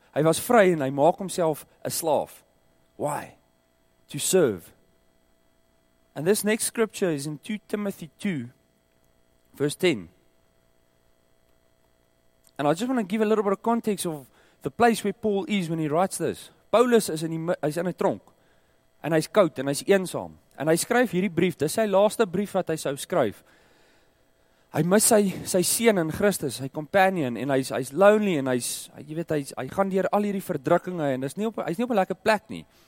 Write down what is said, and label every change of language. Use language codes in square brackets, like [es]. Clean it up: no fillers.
[af] Hy was vry en hy maak homself 'n slaaf. [en] Why? To serve. And this next scripture is in 2 Timothy 2, verse 10. And I just want to give a little bit of context of the place where Paul is when he writes this. [af] Paulus is in a tronk. En hy is koud en hy is eensaam. En hy skryf hierdie brief, dis sy laaste brief wat hy sou skryf. Hy mis sy seun in Christus, sy companion, en hy's lonely, en hy gaan deur al hierdie verdrukkinge, en hy's nie op 'n lekker plek nie.